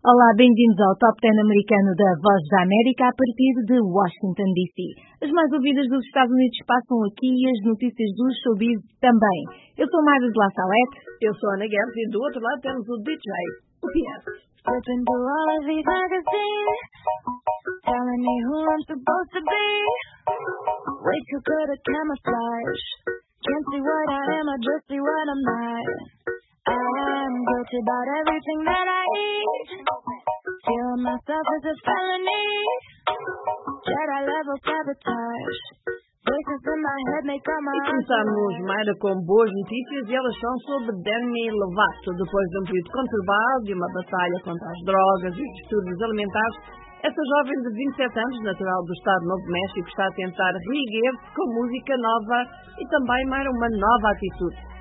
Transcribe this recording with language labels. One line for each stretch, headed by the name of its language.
Portuguese: Olá, bem-vindos ao Top 10 americano da Voz da América a partir de Washington, D.C. As mais ouvidas dos Estados Unidos passam aqui e as notícias do showbiz também. Eu sou Mário de La Salette. Eu sou Ana Guedes e do outro lado temos o DJ, o Pierre.
English: Flipping through all of these magazines, telling me who I'm supposed to be. Way too good at camouflage, can't see what I am, I just see what I'm not. I'm guilty about everything that I eat. Feeling myself as a felony. Jedi level sabotage.
Portuguese: E começamos, Mayra, com boas notícias e elas são sobre Demi Lovato. Depois de um período conturbado e uma batalha contra as drogas e os distúrbios alimentares, essa jovem de 27 anos, natural do Estado de Novo México, está a tentar reerguer-se com música nova e também, Mayra, uma nova atitude.